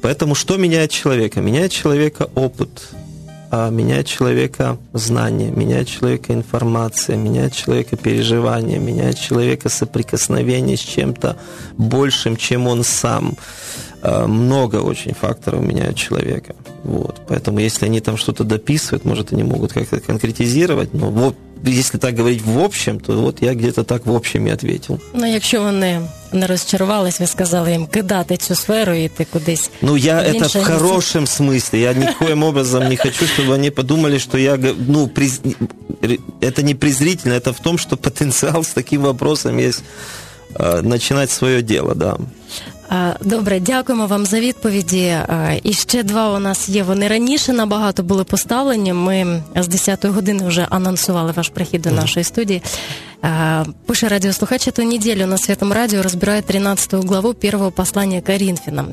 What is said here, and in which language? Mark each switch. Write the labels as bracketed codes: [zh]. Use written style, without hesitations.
[ru] Поэтому что меняет человека? Меняет человека опыт, меняет человека знания, меняет человека информация, меняет человека переживания, меняет человека соприкосновение с чем-то большим, чем он сам. Много очень факторов меняет человека. Вот. Поэтому если они там что-то дописывают, может, они могут как-то конкретизировать, но вот если так говорить в общем, то вот я где-то так в общем и ответил. [uk] Ну, якщо вони не розчарувались, ви сказали їм кидати цю сферу і йти кудись. [ru] Ну, я это в хорошем смысле. Я никоим образом не хочу, чтобы они подумали, что я, ну, это не презрительно, это в том, что потенциал с таким вопросом есть начинать своё дело, да. [uk] Добре, дякуємо вам за відповіді. І ще два у нас є. Вони раніше набагато були поставлені. Ми з 10-ї години вже анонсували ваш прихід до нашої студії. Пише радіослухач, ту неділю на Святому Радіо розбирає 13-ту главу Первого послання Коринфянам.